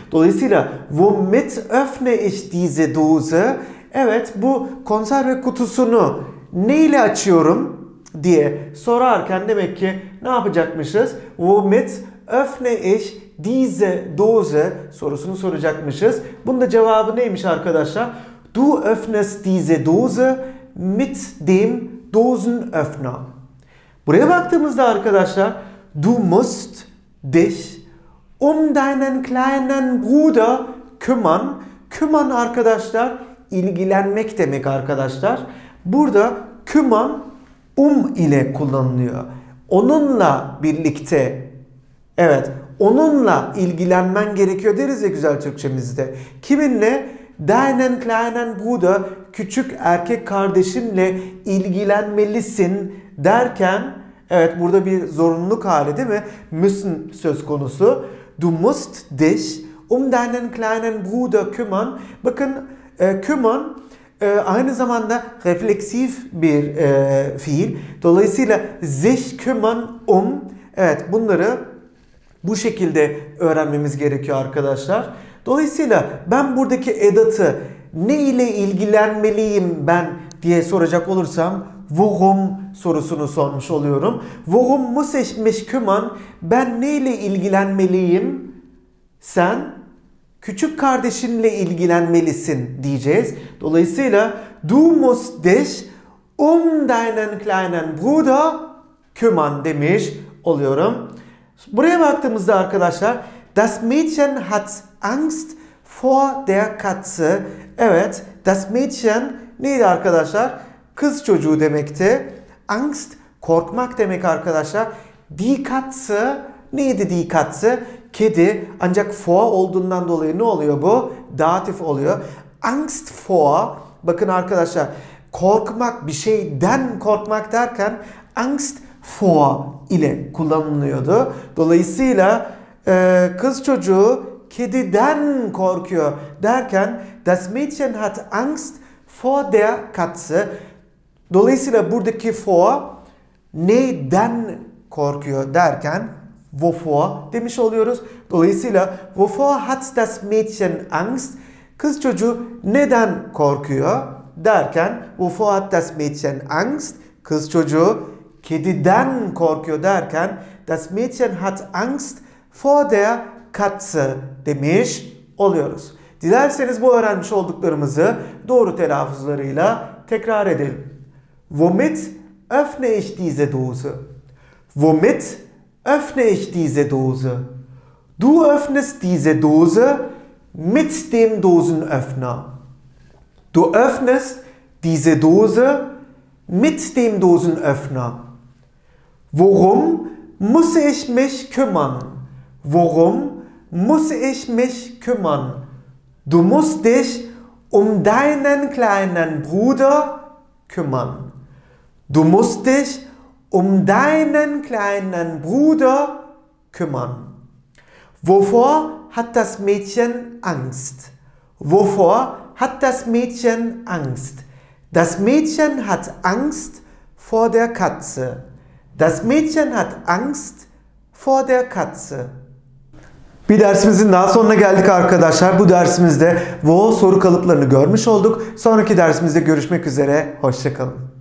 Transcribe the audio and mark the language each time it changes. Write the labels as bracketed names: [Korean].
[Turkish] Dolayısıyla [German] womit öffne ich diese Dose? [Turkish] Evet, bu konserve kutusunu neyle açıyorum diye sorarken demek ki ne yapacakmışız? [German] Womit öffne ich diese Dose [Turkish] sorusunu soracakmışız. Bunun da cevabı neymiş arkadaşlar? [German] Du öffnest diese Dose mit dem Dosenöffner. [Turkish] Buraya baktığımızda arkadaşlar [German] du musst dich um deinen kleinen Bruder kümmern. [Turkish] Kümmern arkadaşlar ilgilenmek demek arkadaşlar. Burada kümmern ile kullanılıyor. Onunla birlikte, evet, onunla ilgilenmen gerekiyor deriz ya güzel Türkçemizde. Kiminle? [German] Deinen kleinen Bruder, [Turkish] küçük erkek kardeşinle ilgilenmelisin derken evet burada bir zorunluluk hali değil mi? Müssen söz konusu. [German] Du musst dich um deinen kleinen Bruder kümmern. [Turkish] Bakın kümmern aynı zamanda refleksif bir fiil. Dolayısıyla [German] sich kümmern um. [Turkish] Evet bunları bu şekilde öğrenmemiz gerekiyor arkadaşlar. Dolayısıyla ben buradaki edatı ne ile ilgilenmeliyim ben diye soracak olursam warum sorusunu sormuş oluyorum. [German] Warum muss ich mich kümmern? [Turkish] Ben ne ile ilgilenmeliyim? Sen küçük kardeşinle ilgilenmelisin diyeceğiz. Dolayısıyla [German] du musst dich um deinen kleinen Bruder kümmern [Turkish] demiş oluyorum. Buraya baktığımızda arkadaşlar [German] das Mädchen hat Angst vor der Katze. [Turkish] Evet, [German] das Mädchen [Turkish] neydi arkadaşlar? Kız çocuğu demekti. Angst korkmak demek arkadaşlar. [German] Die Katze [Turkish] neydi [German] die Katze? [Turkish] Kedi. Ancak vor olduğundan dolayı ne oluyor bu? Datif oluyor. Angst vor. Bakın arkadaşlar, korkmak bir şeyden korkmak derken Angst vor ile kullanılıyordu. Dolayısıyla kız çocuğu kediden korkuyor derken [German] das Mädchen hat Angst vor der Katze. [Turkish] Dolayısıyla buradaki vor neyden korkuyor derken wovor demiş oluyoruz. Dolayısıyla [German] wovor hat das Mädchen Angst? [Turkish] Kız çocuğu neden korkuyor derken [German] wovor hat das Mädchen Angst? [Turkish] Kız çocuğu kediden korkuyor derken [German] das Mädchen hat Angst vor der Katze [Turkish] demiş oluyoruz. Dilerseniz bu öğrenmiş olduklarımızı doğru telaffuzlarıyla tekrar edelim. [German] Womit öffne ich diese Dose? Womit öffne ich diese Dose? Du öffnest diese Dose mit dem Dosenöffner. Du öffnest diese Dose mit dem Dosenöffner. Worum muss ich mich kümmern? Worum muss ich mich kümmern? Du musst dich um deinen kleinen Bruder kümmern. Du musst dich um deinen kleinen Bruder kümmern. Wovor hat das Mädchen Angst? Wovor hat das Mädchen Angst? Das Mädchen hat Angst vor der Katze. Das Mädchen hat Angst vor der Katze. [Turkish] Bir dersimizin daha sonuna geldik arkadaşlar. Bu dersimizde wo soru kalıplarını görmüş olduk. Sonraki dersimizde görüşmek üzere. Hoşça kalın.